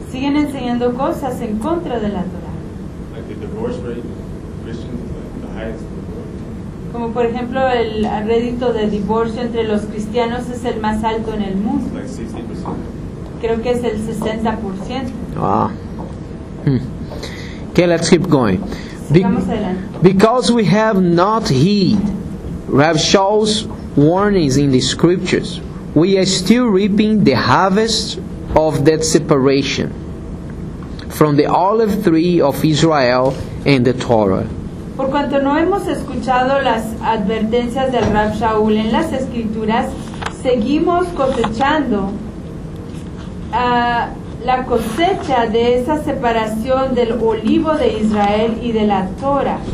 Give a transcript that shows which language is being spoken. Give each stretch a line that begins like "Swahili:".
Spanish: Siguen enseñando cosas en contra de la Torah.
English: Like the divorce rate, Christians like the highest in the world.
Spanish: Como por ejemplo el rédito de divorcio entre los cristianos es el más alto en el mundo.
English: Like 60%.
Spanish: Creo que es el 60%.
English: Ah. Okay, let's keep going. Because we have not heed Rav Shaul's warnings in the scriptures, we are still reaping the harvest of that separation from the olive tree of Israel and the Torah.
Spanish: Por cuanto no hemos escuchado las advertencias del Rav Shaul en las escrituras, seguimos cosechando la cosecha de esa separación del olivo de Israel y de la Torah.